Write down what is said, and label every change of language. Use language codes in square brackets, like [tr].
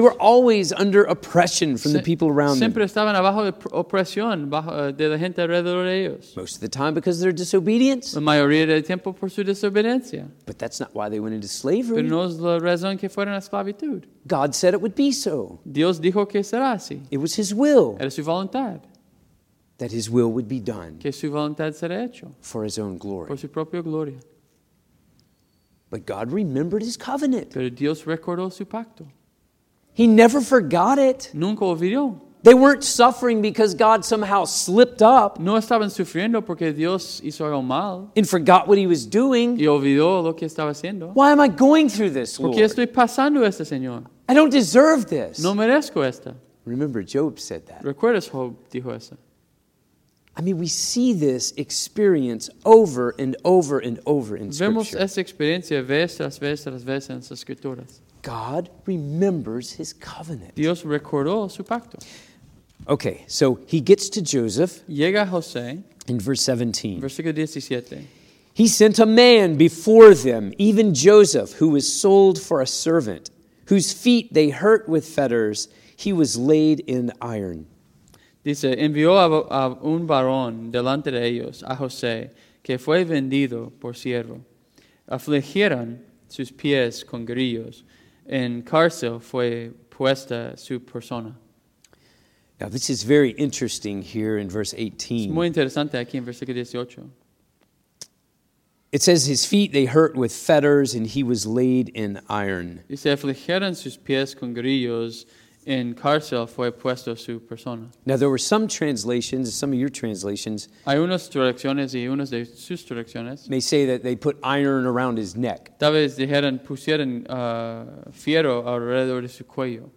[en] They were always under oppression from the people around [es] siempre [en] them. [es] Siempre estaban bajo opresión de la gente alrededor de ellos. [en] Most of the time because of their disobedience. [es] La mayoría del tiempo por su desobediencia. [en] But that's not why they went into slavery. [es] Pero no es la razón que fueron a esclavitud. [en] God said it would be so. [es] Dios dijo que será así. [en] It was his will. [es] Era su voluntad. [en] That his will would be done. [es] Que su voluntad será hecho. [en] For his own glory. [es] Por su propia gloria. [en] But God remembered his covenant. [es] Pero Dios recordó su pacto. [en] He never forgot it. [es] Nunca olvidó. [en] They weren't suffering because God somehow slipped up. [es] No estaban sufriendo porque Dios hizo algo mal. [en] And forgot what he was doing. [es] Y olvidó lo que estaba haciendo. [en] Why am I going through this, Lord? [es] Porque estoy pasando esto, Señor. [en] I don't deserve this. [es] No merezco esto. [en] Remember, Job said that. [es] ¿Recuerdas Job dijo eso? [en] I mean, we see this experience over and over and over in Scripture. [es] Vemos esa experiencia vez tras vez tras vez en las Escrituras. [en] God remembers his covenant. [es] Dios recordó su pacto. [en] Okay, so he gets to Joseph. [es] Llega José. [en] In verse 17. [es] Versículo 17. [en] He sent a man before them, even Joseph, who was sold for a servant, whose feet they hurt with fetters. He was laid in iron. [es] Dice, envió a un varón delante de ellos, a José, que fue vendido por siervo. Afligieron sus pies con grillos. En cárcel fue puesta su persona. [en] Now, this is very interesting here in verse 18. [es] Es muy interesante aquí en versículo 18. [en] It says, his feet they hurt with fetters, and he was laid in iron. [es] Dice, afligieron sus pies con grillos. En cárcel fue puesto su persona. [en] Now there were some translations, some of your translations. [es] Hay unas traducciones y unas de sus traducciones. [en] May say that they put iron around his neck. [es] Tal vez dijeron pusieron fierro alrededor de su cuello.